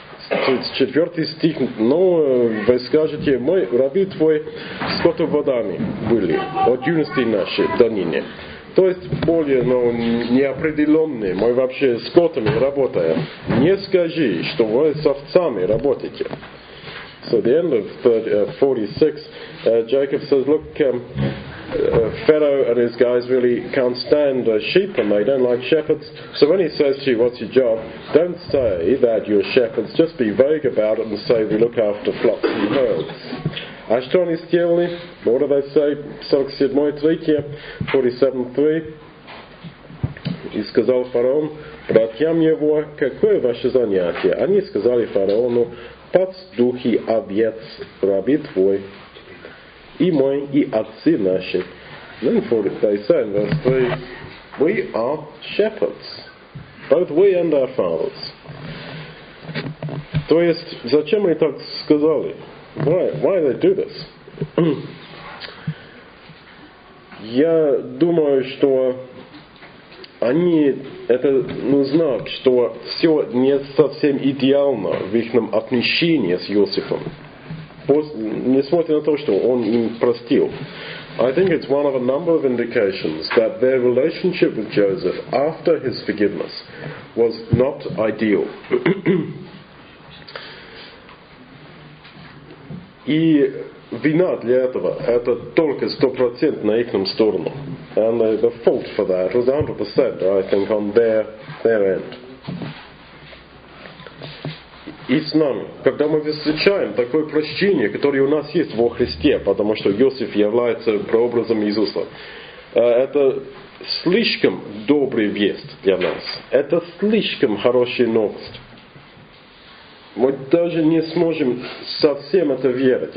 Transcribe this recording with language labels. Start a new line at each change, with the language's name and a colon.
Russian: 34 стих, но вы скажете, мы, раби твой, скотоводами были от юности нашей до ныне. То есть более неопределенные, мы вообще с котами работаем. Не скажи, что вы с овцами работаете.
English: So the end of 46, Jacob says, look, Pharaoh and his guys really can't stand sheep and they don't like shepherds. So when he says to you, what's your job? Don't say that you're shepherds, just be vague about it and say we look after flocks and herds.
Russian: А что они сделали?
English: What did they say?
Russian: 47:3. И сказал фараон братьям его, какое ваше занятие? Они сказали фараону, пастухи овец, раби твой, и мой, и отцы наши.
English: Then 47:3. We are shepherds, both we and our fathers.
Russian: То есть, зачем они так сказали?
English: Why do they do this?
Russian: Я думаю, что они это знак, что все не совсем идеально в их отношении с Иосифом. Несмотря на то, что он им простил.
English: I think it's one of a number of indications that their relationship with Joseph after his forgiveness was not ideal.
Russian: И вина для этого, это только 100% на их сторону.
English: And the fault for that was 100%, I think, on their end.
Russian: И с нами, когда мы встречаем такое прощение, которое у нас есть во Христе, потому что Иосиф является прообразом Иисуса, это слишком добрый весть для нас. Это слишком хорошая новость. Мы даже не сможем совсем это верить.